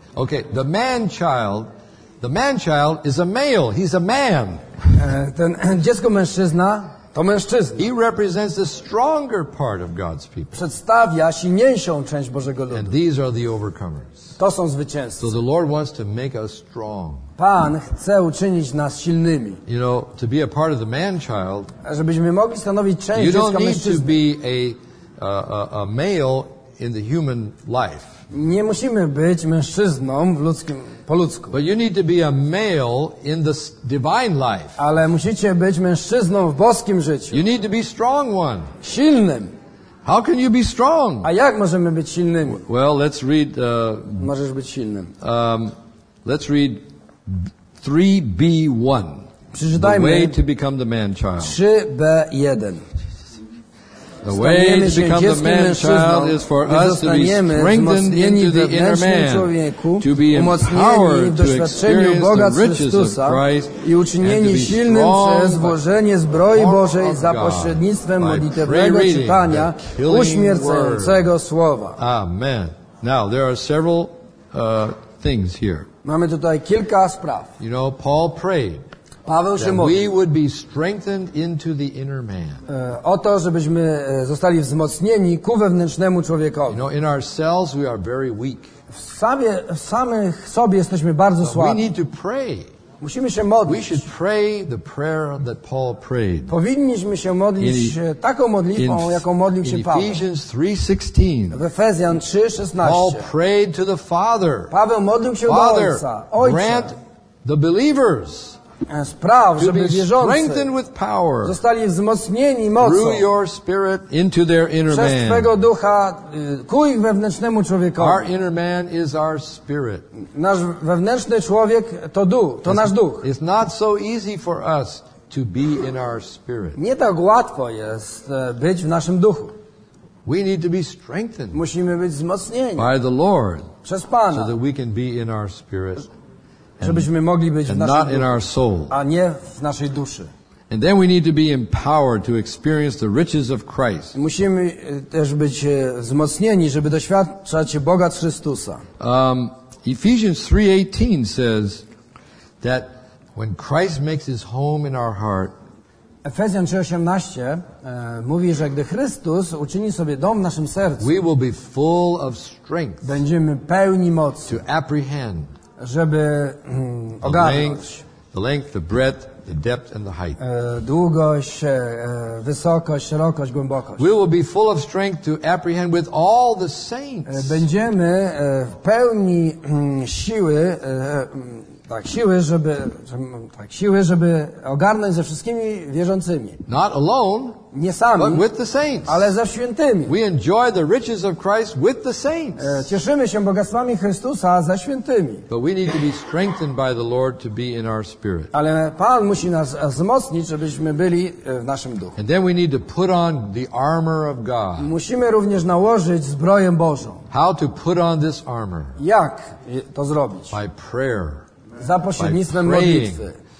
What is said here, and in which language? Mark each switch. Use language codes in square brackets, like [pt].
[en] Okay, the man child is a male, he's a man. [pl] Ten dziecko mężczyzna to mężczyzna. [en] He represents the stronger part of God's people. [pl] Przedstawia silniejszą część Bożego ludu. [en] And these are the overcomers. [pl] To są zwycięzcy. [en] So the Lord wants to make us strong. [pl] Pan chce uczynić nas silnymi. [en] You know, to be a part of the man child. [pl] Żebyśmy mogli stanowić część dziecka mężczyzny. [en] You don't need to be a male in the human life. [pl] Nie musimy być mężczyzną w ludzkim po ludzku. [en] But you need to be a male in the divine life. [pl] Ale musicie być mężczyzną w boskim życiu. [en] You need to be strong one. [pl] Silnym. [en] How can you be strong? [pl] A jak możemy być silnymi? [en] Well, let's read. [pl] Możesz być silnym. [en] Let's read 3B1. [pl] Przeczytajmy. [en] The way to become the man child. [pl] 3B1. [en] The way to become the man child is for us to be strengthened into the inner man, to be empowered to experience the riches of Christ, and to be strong [pl] przez włożenie zbroi Bożej za pośrednictwem modlitewnego czytania uśmiercającego słowa. [en] Amen. Now, there are several things here. [pl] Mamy tutaj kilka spraw. [en] You know, Paul prayed. [pl] Paweł [en] that [pl] mówi, [en] we would be strengthened into the inner man. [pl] O to, żebyśmy zostali wzmocnieni ku wewnętrznemu człowiekowi. [en] You know, in ourselves we are very weak. [pl] W samych sobie jesteśmy bardzo słabi. [en] We need to pray. [pl] Musimy się modlić. [en] We should pray the prayer that Paul prayed. [pl] Powinniśmy się modlić taką modlitwą, jaką modlił się Paweł. [en] Ephesians 3:16. [pl] W Efezjan 3:16. [en] Paul prayed to the Father. [pl] Paweł modlił się do Ojca. [en] Grant the believers. [pl] spraw, żeby wierzący zostali wzmocnieni mocą [en] your spirit into their inner [pl] przez Twego Ducha ku ich wewnętrznemu człowiekowi. [en] Our inner man is our spirit. [pl] Nasz wewnętrzny człowiek to duch, to nasz duch. [en] It's not so easy for us to be in our spirit. [pl] Nie tak łatwo jest być w naszym duchu. [en] We need to be strengthened. [pl] Musimy być wzmocnieni [en] by the Lord [pl] przez Pana, [en] so that we can be in our spirit. [pl] Żebyśmy mogli być [en] and [pl] w naszym [en] not in [pl] duchu, [en] our soul. [pl] A nie w naszej duszy. [en] And then we need to be empowered to experience the riches of Christ. [pl] Musimy też być wzmocnieni, żeby doświadczać bogactw Chrystusa. [en] Ephesians 3:18 says that when Christ makes his home in our heart, [pl] Efezjan 3:18 mówi, że gdy Chrystus uczyni sobie dom w naszym sercu, [en] we will be full of strength. [pl] Będziemy pełni mocy. [en] To apprehend. [pl] Żeby ogarnąć [en] the length, the breadth, the depth and the height. [pl] Długość, wysokość, szerokość, głębokość. [en] We will be full of strength to apprehend with all the saints. [pl] Będziemy w pełni siły, tak siły, żeby ogarnąć ze wszystkimi wierzącymi. [en] Not alone. [pl] Nie sami, [en] but with the saints. [pl] Ale ze świętymi. [en] We enjoy the riches of Christ with the saints. [pl] Cieszymy się bogactwami Chrystusa ze świętymi. [en] But we need to be strengthened by the Lord to be in our spirit. [pl] Ale Pan musi nas wzmocnić, żebyśmy byli w naszym duchu. [en] And then we need to put on the armor of God. [pl] Musimy również nałożyć zbroję Bożą. [en] How to put on this armor? [pl] Jak to zrobić? [en] By prayer. [pl] Za pośrednictwem modlitwy.